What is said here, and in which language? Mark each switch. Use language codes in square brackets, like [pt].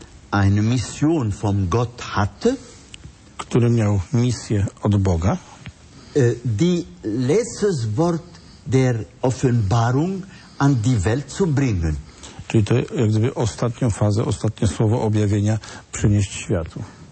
[de] eine Mission von Gott hatte, [pl] który miał misję od Boga, [de] die letztes Wort der Offenbarung an die Welt zu bringen. [pl] Czyli to jak gdyby ostatnią fazę, ostatnie słowo objawienia przynieść światu.